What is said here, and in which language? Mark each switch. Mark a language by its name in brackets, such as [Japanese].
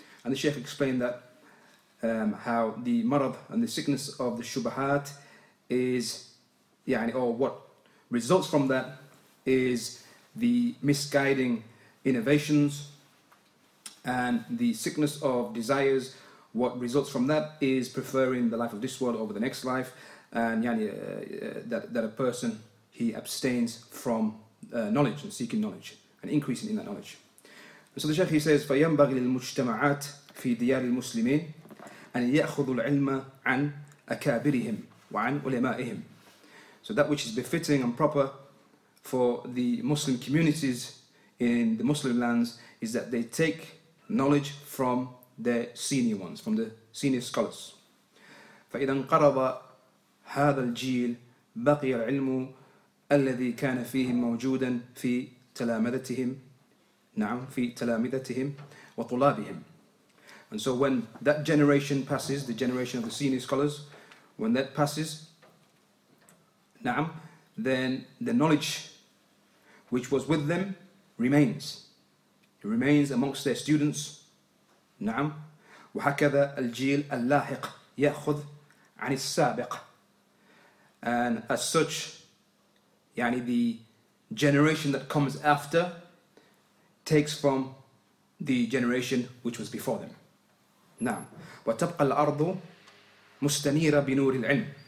[English] And the Shaykh explained that how the marad and the sickness of the shubahat is, yani, or what results from that is the misguiding innovations, and the sickness of desires, what results from that is preferring the life of this world over the next life, and yani, that a person, he abstains from knowledge and seeking knowledge and increasing in that knowledge. So the Shaykh, he says, [Arabic] فَيَنْبَغِ لِلْمُجْتَمَعَاتِ فِي دِيَارِ الْمُسْلِمِينَ أَنْ يَأْخُذُ الْعِلْمَ عَنْ أَكَابِرِهِمْ وَعَنْ عُلَمَائِهِمْ. [English] So that which is befitting and proper for the Muslim communities in the Muslim lands is that they take knowledge from their senior ones, from the senior scholars. [Arabic] فَإِذَا انْقَرَضَ هَذَا الْجِيلِ بَقِيَ الْعِلْمُ الَّذِي كَانَ فِيهِمْ مَوْجُودًا فِي تَلَامَذَتِهِمْ. Na'am, fi talamidatihim wa tulabihim. [English] And so when that generation passes, the generation of the senior scholars, when that passes, na'am, then the knowledge which was with them remains. It remains amongst their students. [Arabic] Na'am. Wa hakadha al-jil al-lahiq ya'khudh 'an al-sabiq. [English] And as such, yani the generation that comes after takes from the generation which was before them. [Arabic] Now, وَتَبْقَى الْأَرْضُ مُسْتَنِيرَ بِنُورِ الْعِلْمِ.